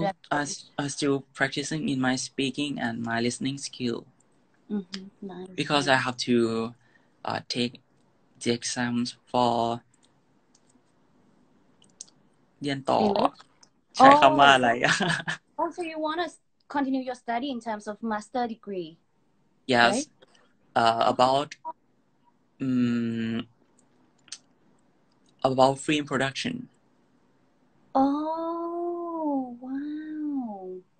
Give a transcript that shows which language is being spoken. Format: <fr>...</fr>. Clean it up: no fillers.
<en>I'm still practicing in my speaking and my listening skill. Nice. Because I have to take the exams for</en> <th>เรียนต่อใช้คำว่าอะไร</th> <en>Oh, so you want to continue your study in terms of master degree? Yes. Right? About about film production. Oh, wow.</en>